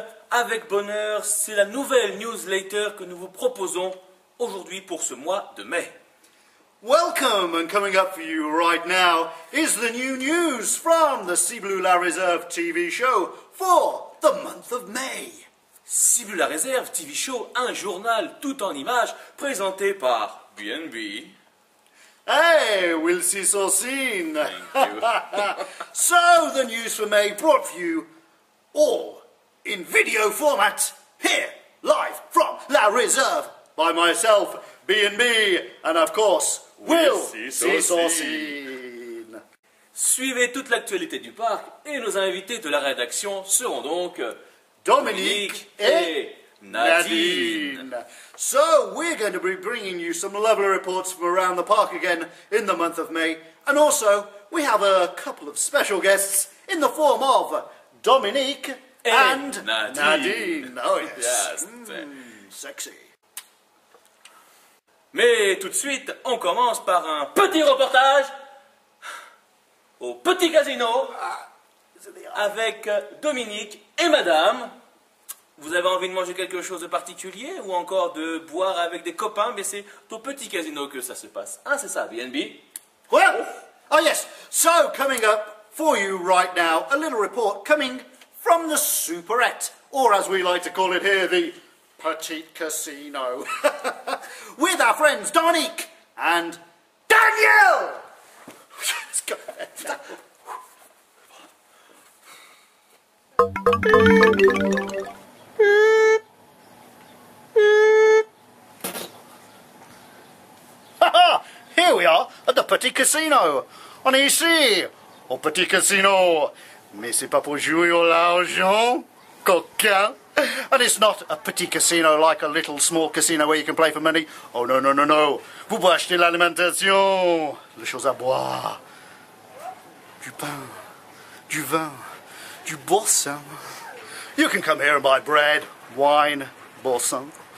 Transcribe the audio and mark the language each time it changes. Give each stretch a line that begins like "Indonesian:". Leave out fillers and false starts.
French: Avec bonheur, c'est la nouvelle newsletter que nous vous proposons aujourd'hui pour ce mois de mai.
English: Welcome, and coming up for you right now is the new news from the Cibulu La Réserve TV show for the month of May.
French: Cibulu La Réserve TV show, un journal tout en images présenté par BNB.
English: Hey, we'll see so soon. Thank you. So, the news for May brought for you all in video format here, live from La Réserve by myself, BNB, and of course, we'll see so soon.
French: Suivez toute l'actualité du parc et nos invités de la rédaction seront donc Dominique et Nadine.
English: So we're going to be bringing you some lovely reports from around the park again in the month of May. And also, we have a couple of special guests in the form of Dominique and Nadine. Oh yes, yes. Sexy.
French: Mais tout de suite, on commence par un petit reportage au petit casino avec Dominique et Madame. Vous avez envie de manger quelque chose de particulier ou encore de boire avec des copains, mais c'est au petit casino que ça se passe. Hein, c'est ça, BNB?
English: Well, oh yes, so coming up for you right now, a little report coming from the Superette, or as we like to call it here, the Petit Casino, with our friends Dominique and Daniel! Let's go ahead. Here we are at the Petit Casino.
French: On est ici, au Petit Casino. Mais c'est pas pour jouer au l'argent, coquin.
English: And it's not a petit casino like a little small casino where you can play for money. Oh no, no, no, no.
French: Vous pouvez acheter l'alimentation, les choses à boire, du pain, du vin, du boursin.
English: You can come here and buy bread, wine, boursin.